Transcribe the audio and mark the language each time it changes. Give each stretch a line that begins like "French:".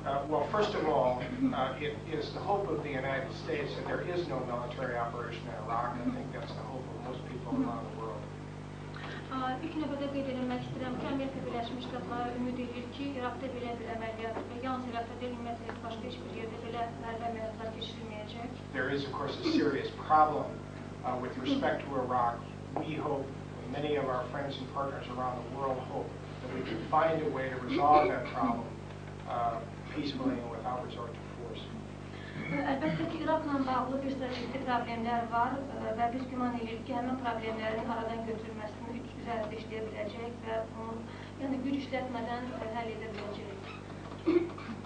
English: Well, first of all, it is the hope of the United States that there is no military operation in Iraq. I think that's the hope of most people around the world.
Azerbaijani: İlk növbədə qeyd etmək istəyirəm ki, Amerika Birləşmiş Ştatları ümid edir ki, İraqda belə bir əməliyyat və yalnız İraqda deyil, ümumiyyətlə başqa heç bir yerdə belə hərbi əməliyyatlar keçirilməyəcək.
English: There is, of course, a serious problem with respect to Iraq. We hope, many of our friends and partners around the world hope, that we can find a way to resolve that problem peacefully and without resort to force.
Azerbaijani: Əlbəttə ki, İraqla bağlı bir sıra ciddi problemlər var və biz güman edirik ki, həmin problemlərin aradan götürülməsini üzərində işləyə biləcək və bunu yəni güc işlətmədən həll edə biləcək.